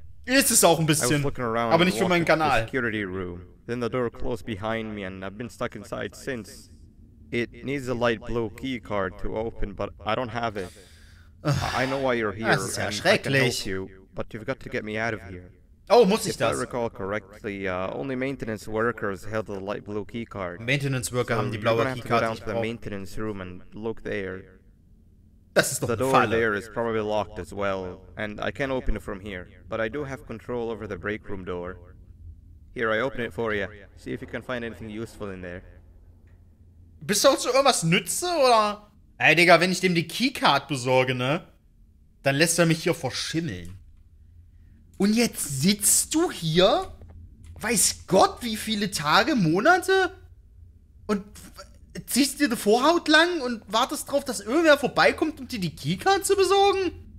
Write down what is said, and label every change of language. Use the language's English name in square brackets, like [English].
[German] Ist es auch ein bisschen, aber nicht für meinen Kanal. [English] The security room. Then the door closed behind me and I've been stuck inside since. It needs a light blue key card to open, but I don't have it. I know why you're here. [German] Das ist ja schrecklich. [English] You, but you've got to get me out of here. [German] Oh, muss ich das? [English] If I recall correctly, only maintenance workers held the light blue key card. [German] Maintenance Worker haben die blaue Keycard. [English] So you're gonna have to go down to the maintenance room and look there. [German] Das ist doch [English] the door there is probably locked as well, and I can't open it from here. But I do have control over the break room door. Here, I open it for you. See if you can find anything useful in there. [German] Bist du also irgendwas nütze, oder? Ey, Digga, wenn ich dem die Keycard besorge, ne? Dann lässt er mich hier verschimmeln. Und jetzt sitzt du hier? Weiß Gott, wie viele Tage, Monate? Und ziehst dir die Vorhaut lang und wartest drauf, dass irgendwer vorbeikommt, um dir die Keycard zu besorgen?